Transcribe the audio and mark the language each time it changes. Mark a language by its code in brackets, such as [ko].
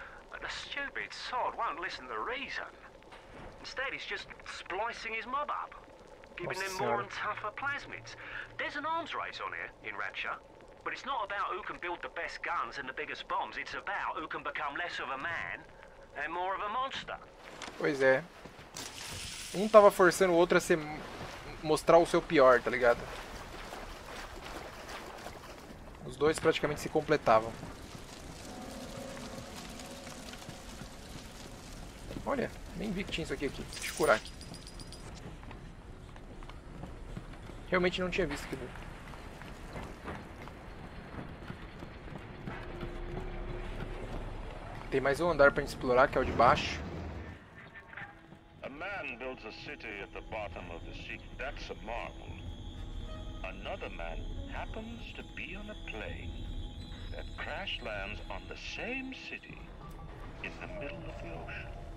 [en] But the stupid sod won't listen to reason. Instead, he's just splicing his mob up. Giving them more and tougher plasmids. There's an arms race on here in Rapture. But it's not about who can build the best guns and the biggest bombs, it's about who can become less of a man and more of a monster. [pt] Pois é. Um tava forçando o outro a ser mostrar o seu pior, tá ligado? Os dois praticamente se completavam. Olha, nem vi que tinha isso aqui. Deixa eu curar aqui. Realmente não tinha visto aquilo. Tem mais um andar pra gente explorar, que é o de baixo. [en] A man builds a city at the bottom of the sea. That's a marvel. Another man happens to be on a plane that crash lands on the same city in the middle of the ocean.